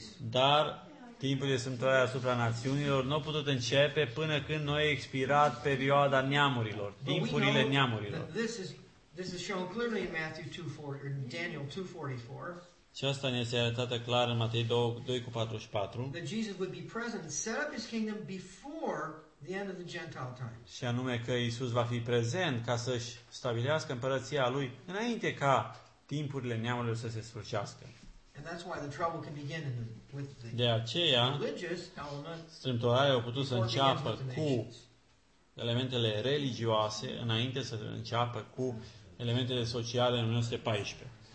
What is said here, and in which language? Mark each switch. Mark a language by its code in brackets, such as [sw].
[ro] Dar timpul de strâmtorare asupra națiunilor nu a putut începe până când noi a expirat perioada neamurilor, timpurile neamurilor. [en] This is shown clearly in Matthew 2:4 or Daniel 2:44. [ro] Și asta ne este arătată clar în Matei 2:44. [en] That Jesus would be present and set up his kingdom before the end of the Gentile times. [ro] Și anume că Iisus va fi prezent ca să-și stabilească împărăția lui înainte ca timpurile neamurilor să se sfârșească. [en] And that's why the trouble can begin in the, with the [ro] de aceea, [en] religious element. [ro] Strâmtorarea a putut să înceapă cu elementele religioase înainte să înceapă cu elementele sociale în 1914.